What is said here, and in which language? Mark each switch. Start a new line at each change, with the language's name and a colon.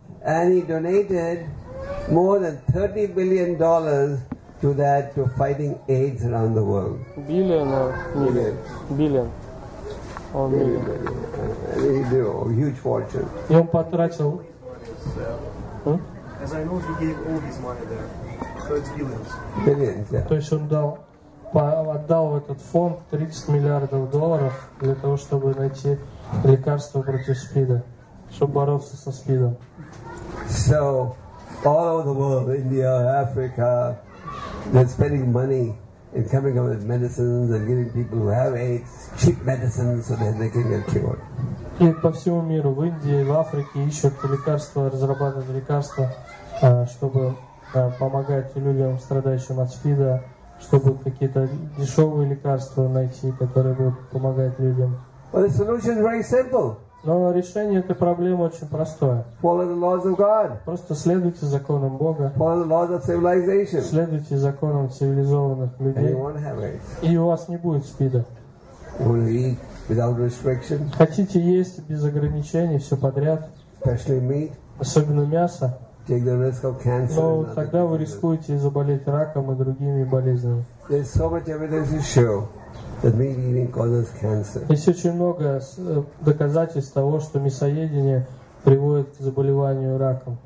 English: And he donated more than $30 billion to fighting AIDS around the world. Billion or million? Billion. Billion. Huge fortune.
Russian: И он потратил.
English: As I know, he gave all his money there, so it's billions. Billions, yeah.
Russian: То есть он дал. Отдал в этот фонд 30 миллиардов долларов для того, чтобы найти лекарство против СПИДа, чтобы бороться со СПИДом.
English: So, all over the world, India, Africa, they're spending money in coming up with medicines and giving people who have AIDS cheap medicines so that they can get cured.
Russian: И по всему миру, в Индии, в Африке ищут лекарства, разрабатывают лекарства, чтобы помогать людям, страдающим от СПИДа, чтобы какие-то дешевые лекарства найти, которые будут помогать людям.
English: Well, the solution is very simple.
Russian: Но решение этой проблемы очень простое.
English: Follow the laws of God.
Russian: Просто следуйте законам Бога.
English: Follow the laws of civilization.
Russian: Следуйте законам цивилизованных людей.
English: And you won't have AIDS.
Russian: И у вас не будет СПИДа.
English: Will you eat without restriction?
Russian: Хотите есть без ограничений, все подряд.
English: Especially meat.
Russian: Особенно мясо.
English: Take the risk of cancer.
Russian: Но тогда вы рискуете заболеть раком и другими болезнями.
English: There's so much evidence to show that meat eating causes cancer.
Russian: Есть очень много доказательств того, что мясоедение приводит к заболеванию раком.